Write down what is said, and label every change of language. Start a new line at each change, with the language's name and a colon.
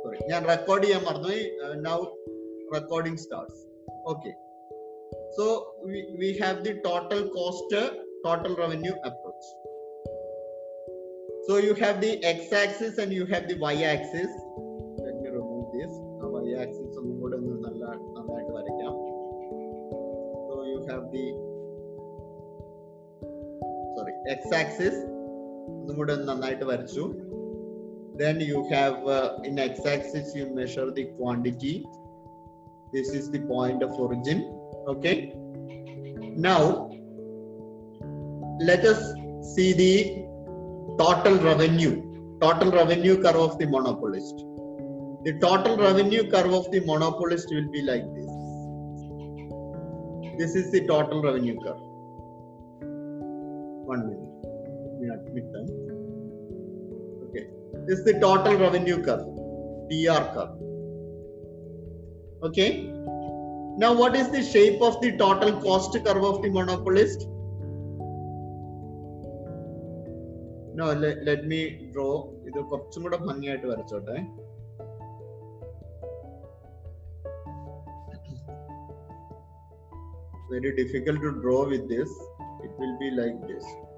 Malayalam: ഞാൻ റെക്കോർഡ് ചെയ്യാൻ മറന്നു.
English: Now recording starts. Okay, so we have the total cost total revenue approach. So you have the x axis and you have the y axis. Let me remove this. Now y axis on the board and then on that one again. So you have the x axis on the board and then on that one again. Then you have in x axis you measure the quantity. This is the point of origin. Okay. Now let us see the total revenue curve of the monopolist. The total revenue curve of the monopolist will be like this. This is the total revenue curve. 1 minute, let me admit them. Okay, this is the total revenue curve, TR curve. Okay, now what is the shape of the total cost curve of the monopolist? No, let me draw.
Malayalam: ഇത് കുറച്ചും കൂടെ ഭംഗിയായിട്ട് വരച്ചോട്ടെ.
English: Very difficult to draw with this. It will be like this.